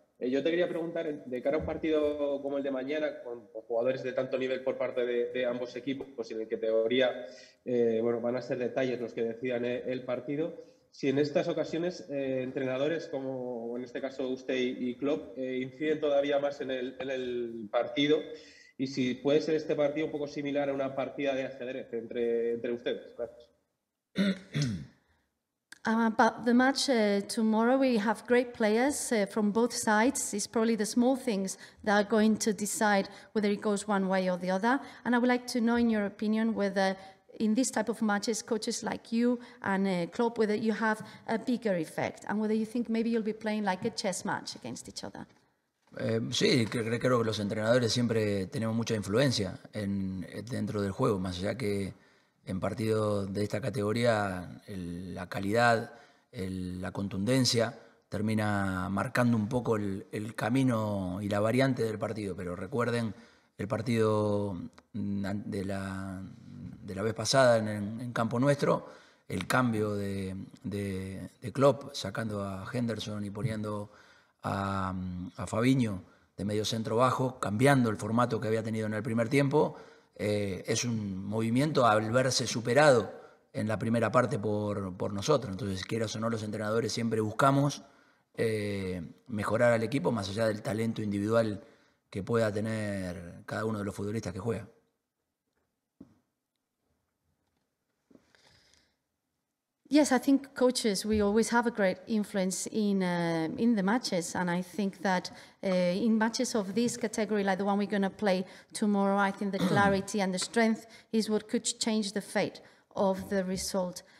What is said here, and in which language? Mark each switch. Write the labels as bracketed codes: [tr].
[es] Yo te quería preguntar, de cara a un partido como el de mañana, con jugadores de tanto nivel por parte de ambos equipos, pues en el que teoría bueno, van a ser detalles los que decidan el partido, si en estas ocasiones entrenadores, como en este caso usted y Klopp, inciden todavía más en el partido, y si puede ser este partido un poco similar a una partida de ajedrez entre ustedes. Gracias. [en] About the match tomorrow, we have great players from both sides. It's probably the small things that are going to decide whether it goes one way or the other. And I would like to know, in your opinion, whether in this type of matches, coaches like you and Klopp, whether you have a bigger effect and whether you think maybe you'll be playing like a chess match against each other. [es] Sí, creo que los entrenadores siempre tenemos mucha influencia dentro del juego, más allá que en partidos de esta categoría la calidad, la contundencia termina marcando un poco el camino y la variante del partido. Pero recuerden el partido de la vez pasada en campo nuestro, el cambio de Klopp sacando a Henderson y poniendo a Fabinho de medio centro bajo, cambiando el formato que había tenido en el primer tiempo. Es un movimiento al verse superado en la primera parte por nosotros. Entonces, quieras o no, los entrenadores siempre buscamos mejorar al equipo más allá del talento individual que pueda tener cada uno de los futbolistas que juega. [en] Yes, I think coaches, we always have a great influence in the matches, and I think that in matches of this category, like the one we're going to play tomorrow, I think the clarity and the strength is what could change the fate of the result.